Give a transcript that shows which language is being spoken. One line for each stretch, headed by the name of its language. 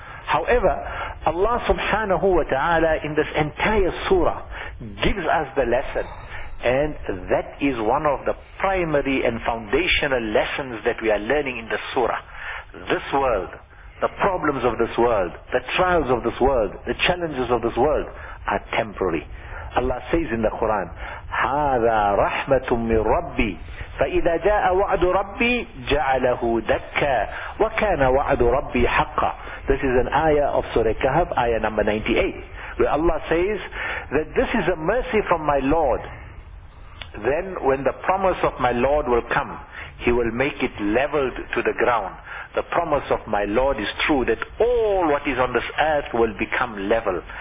English: However, Allah subhanahu wa ta'ala in this entire surah gives us the lesson, and that is one of the primary and foundational lessons that we are learning in the surah. This world, the problems of this world, the trials of this world, the challenges of this world are temporary. Allah says in the Quran,
Arabic: هَذَا رَحْمَةٌ مِّن رَبِّي فَإِذَا جَاءَ وَعْدُ رَبِّي جَعَلَهُ دَكَّى وَكَانَ وَعْدُ رَبِّي حَقَّى.
English: This is an ayah of Surah Kahf, ayah number 98, where Allah says that this is a mercy from my Lord. Then when the promise of my Lord will come, He will make it leveled to the ground. The promise of my Lord is true, that all what is on this earth will become level.